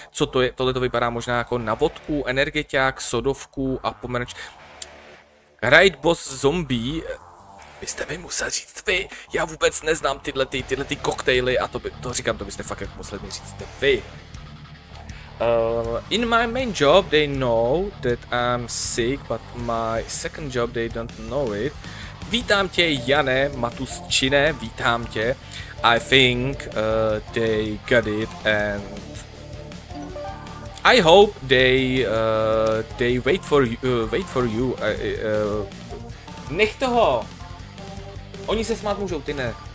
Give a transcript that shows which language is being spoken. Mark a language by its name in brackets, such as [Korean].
[Czech] Co to je, tohle to vypadá možná jako na vodku, energeťák, sodovku a pomeranč. Raid Boss Zombie. Byste mi musel říct vy, já vůbec neznám tyhle ty koktejly a to byste fakt jako museli říct vy. [English] In my main job they know that I'm sick, but my second job they don't know it. [Czech] Vítám tě Jane, Matus Čine, vítám tě. [English] I think they got it and... I hope they wait for you, [Czech] Nech toho! Oni se smát můžou, ty ne.